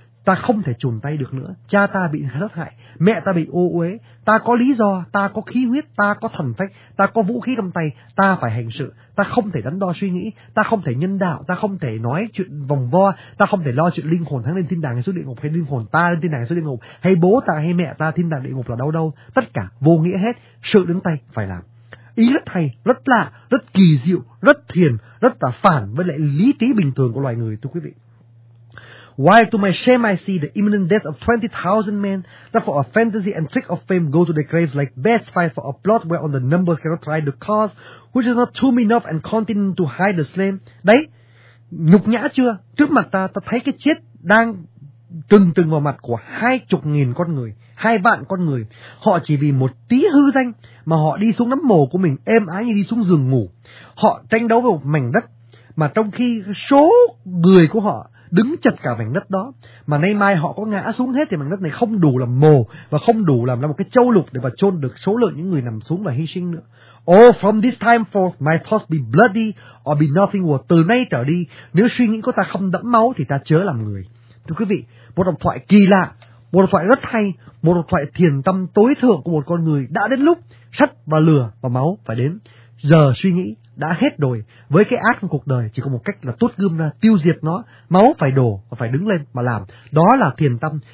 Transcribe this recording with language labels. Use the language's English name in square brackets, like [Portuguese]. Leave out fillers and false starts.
[Vietnamese] Ta không thể chùn tay được nữa, cha ta bị sát hại, mẹ ta bị ô uế, ta có lý do, ta có khí huyết, ta có thần phách, ta có vũ khí trong tay, ta phải hành sự, ta không thể đắn đo suy nghĩ, ta không thể nhân đạo, ta không thể nói chuyện vòng vo, ta không thể lo chuyện linh hồn thắng lên thiên đàng hay xuống địa ngục, hay linh hồn ta lên thiên đàng hay xuống địa ngục, hay bố ta hay mẹ ta thiên đàng địa ngục là đâu, tất cả vô nghĩa hết, sự đứng tay phải làm. Ý rất hay, rất lạ, rất kỳ diệu, rất thiền, rất là phản với lại lý trí bình thường của loài người, thưa quý vị. [English] While to my shame I see the imminent death of 20,000 men that for a fantasy and trick of fame go to the graves like best fight for a plot whereon the numbers cannot try the cause, which is not tomb enough and continent to hide the slain. [Vietnamese] Đấy, nhục nhã chưa? Trước mặt ta thấy cái chết đang từng từng vào mặt của 20,000 con người, 20,000 con người. Họ chỉ vì một tí hư danh mà họ đi xuống nấm mồ của mình êm ái như đi xuống giường ngủ. Họ tranh đấu với một mảnh đất mà trong khi số người của họ đứng chật cả mảnh đất đó, mà nay mai họ có ngã xuống hết thì mảnh đất này không đủ làm mồ và không đủ làm ra một cái châu lục để mà chôn được số lượng những người nằm xuống và hy sinh nữa. [English] Oh, from this time forth, my thoughts be bloody or be nothing worth. [Vietnamese] Từ nay trở đi, nếu suy nghĩ của ta không đẫm máu thì ta chớ làm người. Thưa quý vị, một độc thoại kỳ lạ, một độc thoại rất hay, một độc thoại thiền tâm tối thượng của một con người đã đến lúc sắt và lửa và máu phải đến. Giờ suy nghĩ đã hết rồi, với cái ác trong cuộc đời chỉ có một cách là tuốt gươm ra tiêu diệt nó, máu phải đổ và phải đứng lên mà làm. Đó là thiền tâm.